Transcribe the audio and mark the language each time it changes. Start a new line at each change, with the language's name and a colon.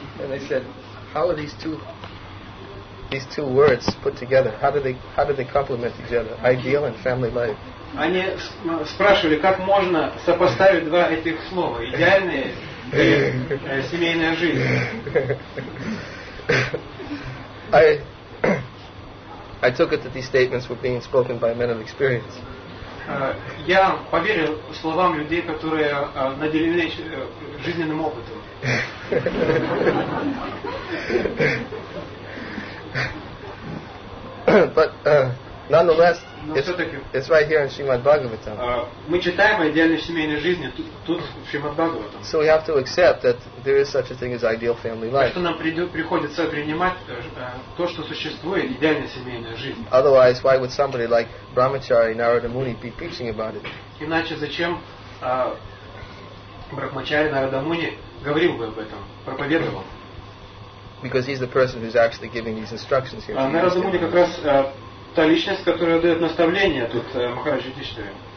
English: And they said, how are these two words put together? How do they complement each other? Ideal and family life.
Russian: Они спрашивали, как можно сопоставить два этих слова, идеальная и семейная жизнь.
English: I took it that these statements were being spoken by men of experience.
Russian: Я поверил словам людей, которые наделены жизненным опытом.
English: But nonetheless, it's right here in Srimad Bhagavatam.
Russian: Мы читаем о идеальной семейной жизни тут в Шримад Бхагаватам.
English: So we have to accept that there is such a thing as ideal family life.
Russian: Что нам приходится принимать то, что существует идеальная семейная жизнь.
English: Otherwise, why would somebody like Brahmachari Narada Muni be preaching about it?
Russian: Иначе зачем Брахмачари Нарада Муни говорил бы об этом, проповедовал?
English: Because he's the person who's actually giving these instructions here.
Russian: Нарада Муни как раз та личность, которая дает наставления тут Махараджи Диштаре.